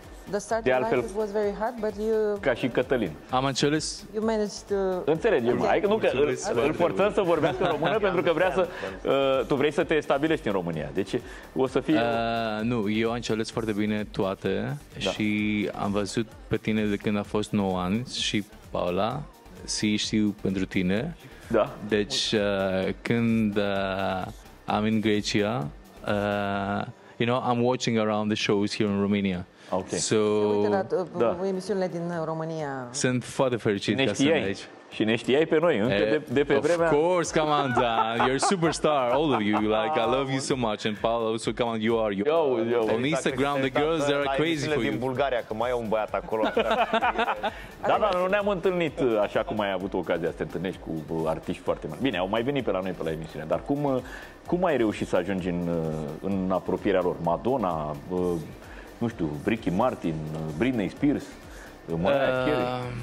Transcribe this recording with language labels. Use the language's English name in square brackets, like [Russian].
[English] The start of life was very hard, but you... [Romanian] Ca și Cătălin. Am înțeles. [English] You managed to... [Romanian] Înțelegi, adică nu că îl forțăm să vorbească română, pentru că vrea să... tu vrei să te stabilești în România, deci o să fie... Nu, eu am înțeles foarte bine toate, da. Și am văzut pe tine de când a fost 9 ani și Paula, și știu pentru tine. Da. Deci când am în Grecia, [English] you know, I'm watching around the shows here in Romania. Okay. So, [Romanian] da. Emisiunile din România. Sunt foarte fericit că sunt aici. Și ne știai pe noi, încă de pe of vremea. [English] Of course, come on, Dan. You're a superstar, all of you. Like, I love you so much. And Paolo, so come on, you are. Yo. On Instagram, the girls, they are crazy for you. [Romanian] Din Bulgaria, că mai e un băiat acolo. Da, nu ne-am întâlnit așa cum ai avut ocazia să te întâlnești cu artiști foarte mari. Bine, au mai venit pe la noi pe la emisiune, dar cum ai reușit să ajungi în apropierea lor? Madonna, nu știu, Ricky Martin, Britney Spears, Mariah Carey.